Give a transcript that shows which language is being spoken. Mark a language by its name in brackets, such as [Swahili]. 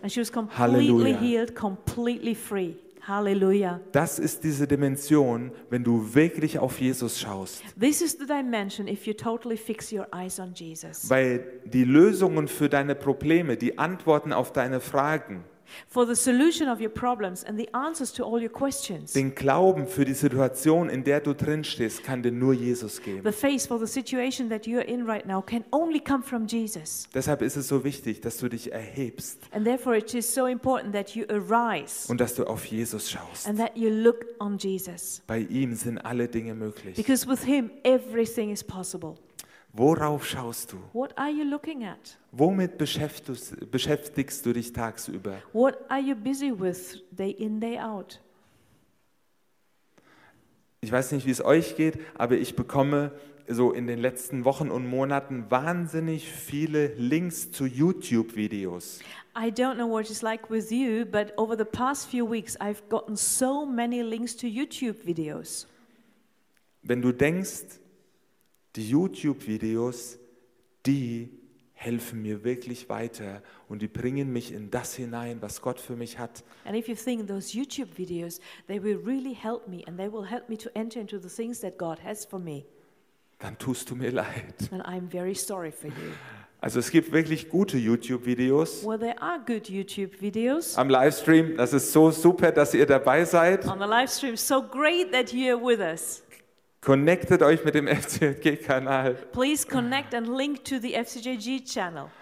[English] And she was completely healed, completely free. [German] Halleluja. Das ist diese Dimension, wenn du wirklich auf Jesus schaust. [English] This is the dimension if you totally fix your eyes on Jesus. [German] Weil die Lösungen für deine Probleme, die Antworten auf deine Fragen, [English] for the solution of your problems and the answers to all your questions. [German] Den Glauben für die Situation, in der du drin stehst, kann dir nur Jesus geben. [English] The faith for the situation that you are in right now can only come from Jesus. [German] Deshalb ist es so wichtig, dass du dich erhebst. [English] And therefore it is so important that you arise. [German] Und dass du auf Jesus schaust. [English] And that you look on Jesus. [German] Bei ihm sind alle Dinge möglich. [English] Because with him everything is possible. [German] Worauf schaust du? [English] What are you looking at? [German] Womit beschäftigst du dich tagsüber? [English] What are you busy with day in, day out? [German] Ich weiß nicht, wie es euch geht, aber ich bekomme so in den letzten Wochen und Monaten wahnsinnig viele Links zu YouTube-Videos. [English] I don't know what it's like with you, but over the past few weeks I've gotten so many links to YouTube-Videos. [German] Wenn du denkst, die YouTube-Videos, die helfen mir wirklich weiter und die bringen mich in das hinein, was Gott für mich hat. [English] And if you think those YouTube videos, they will really help me and they will help me to enter into the things that God has for me. [German] Dann tust du mir leid. [English] And I'm very sorry for you. [German] Also es gibt wirklich gute YouTube-Videos. [English] Well, there are good YouTube-Videos. [German] Am Livestream, das ist so super, dass ihr dabei seid. [English] On the Livestream, so great that you're with us. [German] Connectet euch mit dem FCJG-Kanal. [English] Please connect and link to the FCJG-Channel.